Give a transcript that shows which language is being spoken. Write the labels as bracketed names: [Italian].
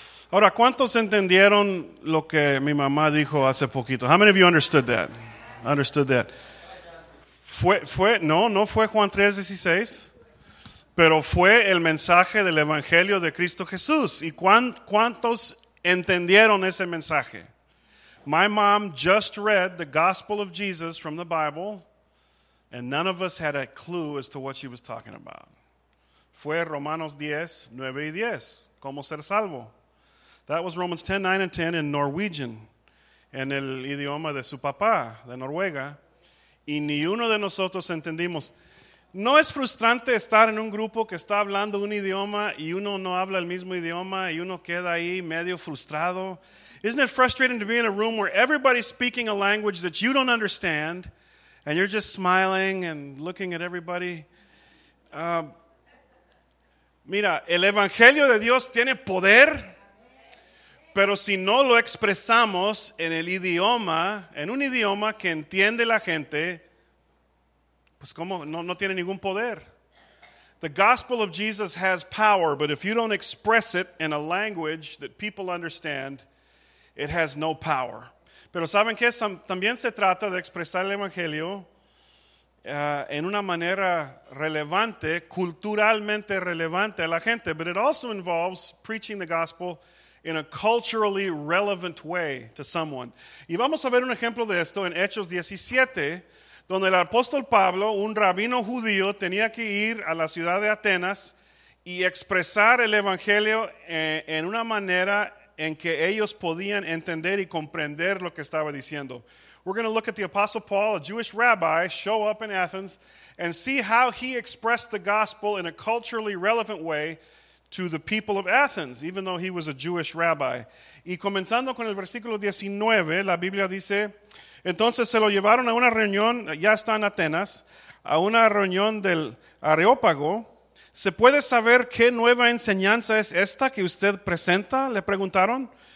[Spanish] Ahora, ¿cuántos entendieron lo que mi mamá dijo hace poquito? [English] How many of you understood that? Understood that. [Spanish] No fue Juan 3:16, pero fue el mensaje del Evangelio de Cristo Jesús. ¿Y cuántos entendieron ese mensaje? [English] My mom just read the Gospel of Jesus from the Bible, and none of us had a clue as to what she was talking about. [Spanish] Fue Romanos 10:9-10, ¿cómo ser salvo? [English] That was Romans 10:9-10 in Norwegian, [Spanish] en el idioma de su papá, de Noruega. Y ni uno de nosotros entendimos. ¿No es frustrante estar en un grupo que está hablando un idioma y uno no habla el mismo idioma y uno queda ahí medio frustrado? [English] Isn't it frustrating to be in a room where everybody's speaking a language that you don't understand and you're just smiling and looking at everybody? [Spanish] Mira, el Evangelio de Dios tiene poder, pero si no lo expresamos en el idioma, en un idioma que entiende la gente, pues como no tiene ningún poder. [English] The gospel of Jesus has power, but if you don't express it in a language that people understand, it has no power. [Spanish] Pero saben que también se trata de expresar el evangelio en una manera relevante, culturalmente relevante a la gente, [English] but it also involves preaching the gospel in a culturally relevant way to someone. [Spanish] Y vamos a ver un ejemplo de esto en Hechos 17, donde el apóstol Pablo, un rabino judío, tenía que ir a la ciudad de Atenas y expresar el evangelio en una manera en que ellos podían entender y comprender lo que estaba diciendo. [English] We're going to look at the apostle Paul, a Jewish rabbi, show up in Athens and see how he expressed the gospel in a culturally relevant way to the people of Athens, even though he was a Jewish rabbi. [Spanish] Y comenzando con el versículo 19, la Biblia dice, entonces se lo llevaron a una reunión, ya está en Atenas, a una reunión del Areópago. ¿Se puede saber qué nueva enseñanza es esta que usted presenta? Le preguntaron.